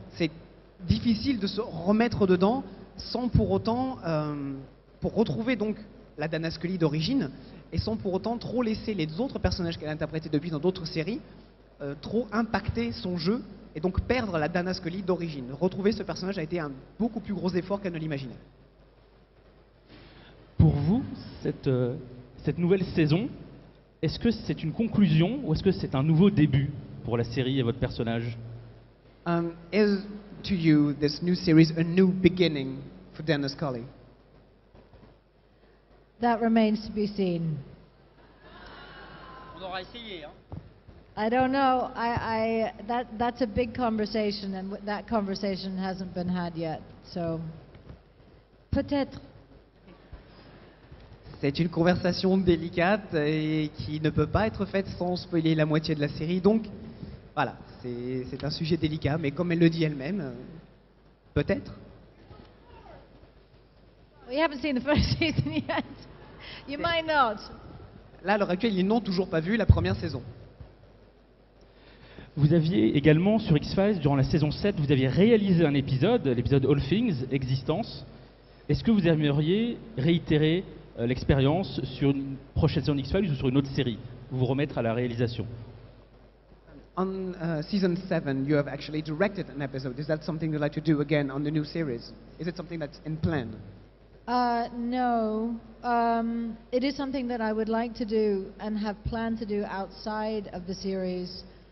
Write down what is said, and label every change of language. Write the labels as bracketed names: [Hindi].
[French] C'est difficile de se remettre dedans sans pour autant, pour retrouver donc la Dana Scully d'origine, et sans pour autant trop laisser les autres personnages qu'elle a interprétés depuis dans d'autres séries trop impacter son jeu, et donc perdre la Dana Scully d'origine. Retrouver ce personnage a été un beaucoup plus gros effort qu'elle ne l'imaginait. Pour vous, cette nouvelle saison, est-ce que c'est une conclusion ou est-ce que c'est un nouveau début pour la série et votre personnage? [English] Is to you this new series a new beginning for Dana Scully? That remains to be seen. [French] On aura essayé, hein? [English] I don't know. That's a big conversation, and that conversation hasn't been had yet. [French] So, peut-être. C'est une conversation délicate et qui ne peut pas être faite sans spoiler la moitié de la série. Donc, voilà, c'est un sujet délicat, mais comme elle le dit elle-même, peut-être. [English] We haven't seen the first season yet. You might not. [French] Là, à l'heure actuelle, ils n'ont toujours pas vu la première saison. Vous aviez également, sur X-Files, durant la saison 7, vous aviez réalisé un épisode, l'épisode All Things, Existence. Est-ce que vous aimeriez réitérer l'expérience sur une prochaine saison d'X-Files ou sur une autre série, vous remettre à la réalisation. [English] On season 7, you have actually directed an episode. Is that something you'd like to do again on the new series? Is it something that's in plan? No. It is something that I would like to do and have planned to do outside of the series.